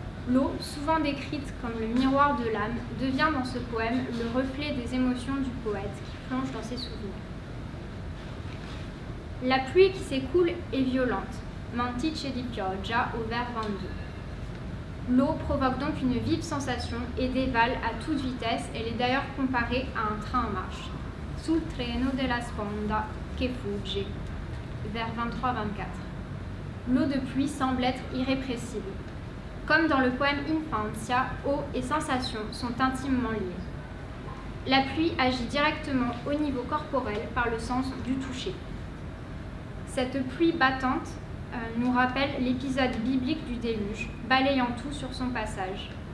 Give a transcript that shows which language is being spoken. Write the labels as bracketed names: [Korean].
[French] L'eau, souvent décrite comme le miroir de l'âme, devient dans ce poème le reflet des émotions du poète qui plonge dans ses souvenirs. La pluie qui s'écoule est violente, [Italian] mantice di pioggia [French] au vers 22. L'eau provoque donc une vive sensation et dévale à toute vitesse, elle est d'ailleurs comparée à un train en marche. [Italian] Sul treno della sponda che fugge, vers 23-24. [French] L'eau de pluie semble être irrépressible. Comme dans le poème Infantia, eau et sensation sont intimement liées. La pluie agit directement au niveau corporel par le sens du toucher. Cette pluie battante nous rappelle l'épisode biblique du déluge, balayant tout sur son passage.